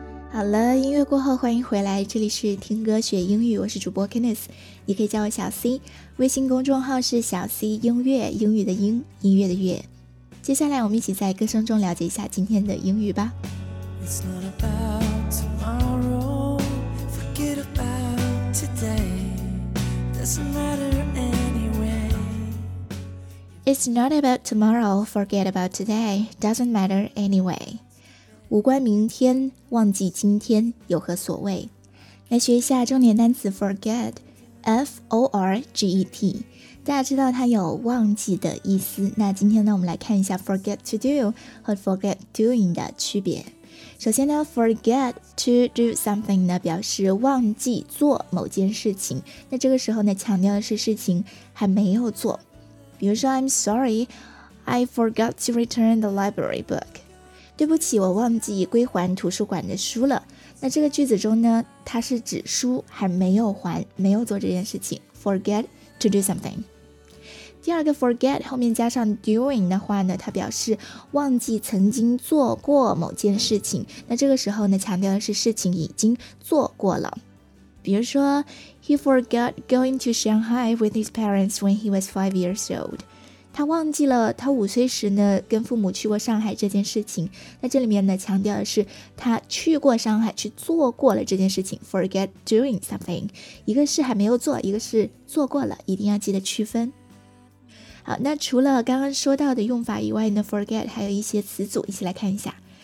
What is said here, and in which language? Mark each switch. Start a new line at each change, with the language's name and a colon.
Chinese: 好了，音乐过后欢迎回来，这里是听歌学英语，我是主播 Kenneth， 你可以叫我小 C， 微信公众号是小 C 音乐，英语的英，音乐的乐。接下来我们一起在歌声中了解一下今天的英语吧。
English: It's not about tomorrow, forget about today, doesn't matter anyway. It's not about tomorrow, forget about today, doesn't matter anyway.
Chinese: 无关明天，忘记今天有何所谓。来学一下重点单词 forget， forget， 大家知道它有忘记的意思。那今天呢，我们来看一下 forget to do 和 forget doing 的区别。首先呢，
English: forget to do something
Chinese: 呢，表示忘记做某件事情。那这个时候呢，强调的是事情还没有做。比如说
English: I'm sorry, I forgot to return the library book.
Chinese: 对不起，我忘记归还图书馆的书了。那这个句子中呢，它是指书还没有还，没有做这件事情。
English: forget to do something。
Chinese: 第二个 forget 后面加上 doing 的话呢，它表示忘记曾经做过某件事情。那这个时候呢，强调的是事情已经做过了。比如说
English: ，He forgot going to Shanghai with his parents when he was 5 years old。
Chinese: 他忘记了他五岁时呢跟父母去过上海这件事情。那这里面呢强调的是他去过上海，去做过了这件事情。
English: Forget doing something，
Chinese: 一个是还没有做，一个是做过了，一定要记得区分。好，那除了刚刚说到的用法以外呢 ，forget 还有一些词组，一起来看一下。